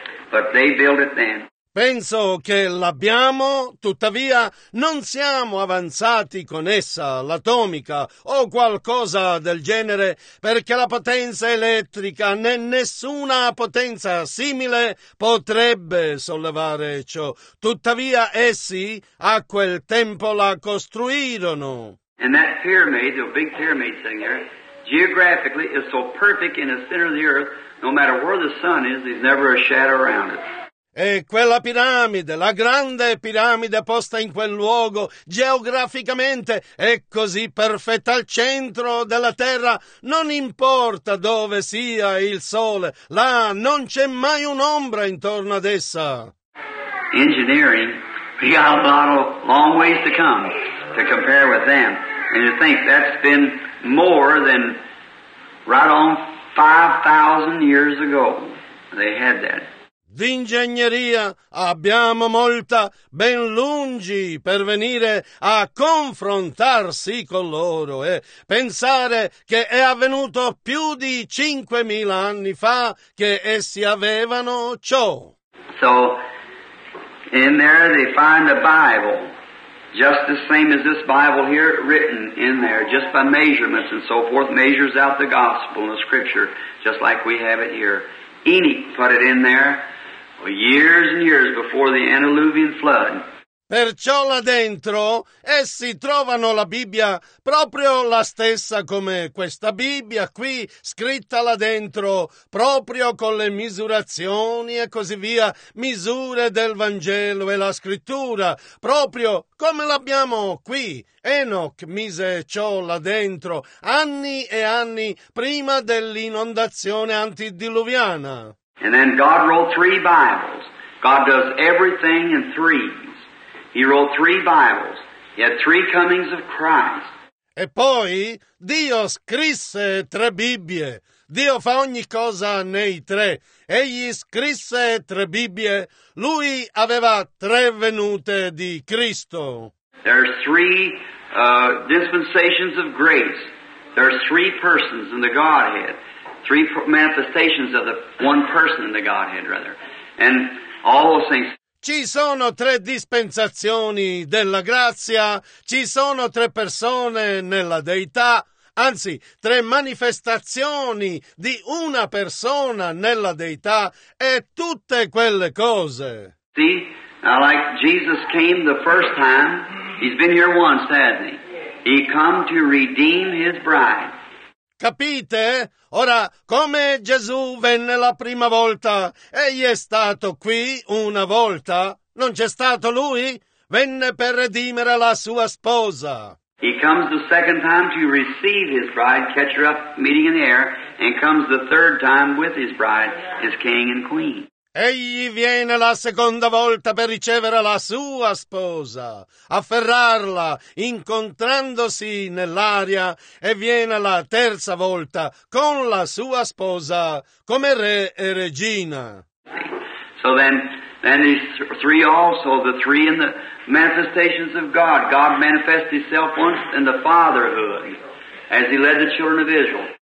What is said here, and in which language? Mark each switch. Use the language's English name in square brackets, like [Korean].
[English] But they built it then. [Italian] Penso che l'abbiamo, tuttavia non siamo avanzati con essa, l'atomica o qualcosa del genere, perché la potenza elettrica né nessuna potenza simile potrebbe sollevare ciò. Tuttavia essi a quel tempo la costruirono. [English] And that pyramid, the big pyramid sitting there, geographically is so perfect in the center of the earth, no matter where the sun is, there's never a shadow around it. [Italian] E quella piramide, la grande piramide posta in quel luogo, geograficamente è così perfetta al centro della terra, non importa dove sia il sole, là non c'è mai un'ombra intorno ad essa. [English] Engineering, we got a lot of long ways to come to compare with them. And you think that's been more than right on 5,000 years ago they had that. [Italian] D'ingegneria abbiamo molta, ben lungi per venire a confrontarsi con loro e pensare che è avvenuto più di 5,000 anni fa che essi avevano ciò. [English] So, In there they find the Bible, just the same as this Bible here written in there, just by measurements and so forth, measures out the gospel and the scripture, just like we have it here. Enoch put it in there years and years before the antediluvian flood. [Italian] Perciò là dentro essi trovano la Bibbia proprio la stessa come questa Bibbia qui scritta là dentro, proprio con le misurazioni e così via, misure del Vangelo e la scrittura, proprio come l'abbiamo qui. Enoch mise ciò là dentro anni e anni prima dell'inondazione antidiluviana. [English] And then God wrote three Bibles. God does everything in three. He wrote three Bibles. He had three comings of Christ. [Italian] E poi Dio scrisse tre Bibbie. Dio fa ogni cosa nei tre. Egli scrisse tre Bibbie. Lui aveva tre venute di Cristo. [English] There are three dispensations of grace. There are three persons in the Godhead. Three manifestations of the one person in the Godhead, rather. And all those things. [Italian] Ci sono tre dispensazioni della grazia, ci sono tre persone nella Deità, anzi, tre manifestazioni di una persona nella Deità e tutte quelle cose. [English] See, now like Jesus came the first time, he's been here once, hasn't he? He come to redeem his bride. [Italian] Capite? Ora, come Gesù venne la prima volta, egli è stato qui una volta, non c'è stato lui? Venne per redimere la sua sposa. [English] He comes the second time to receive his bride, catch her up, meeting in the air, and comes the third time with his bride, his king and queen. [Italian] Egli viene la seconda volta per ricevere la sua sposa, afferrarla, incontrandosi nell'aria, e viene la terza volta con la sua sposa come re e regina. [English] So then these three also, the three in the manifestations of God. God manifests himself once in the fatherhood as he led the children of Israel.